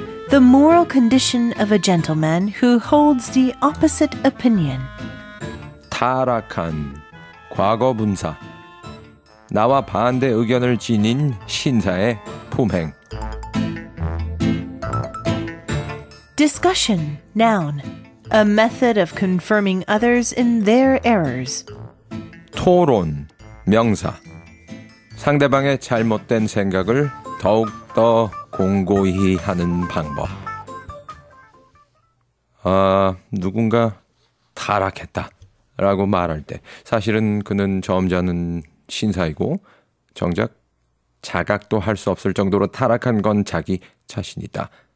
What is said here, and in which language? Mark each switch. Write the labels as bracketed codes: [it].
[en] The moral condition of a gentleman who holds the opposite opinion. [ko] 타락한, 과거분사. 나와 반대 의견을 지닌 신사의 품행. [en] Discussion, noun. A method of confirming others in their errors. [ko] 토론, 명사. 상대방의 잘못된 생각을 더욱더 공고히 하는 방법. 아, 누군가 타락했다라고 말할 때 사실은 그는 점잖은 신사이고 정작 자각도 할 수 없을 정도로 타락한 건 자기 자신이다.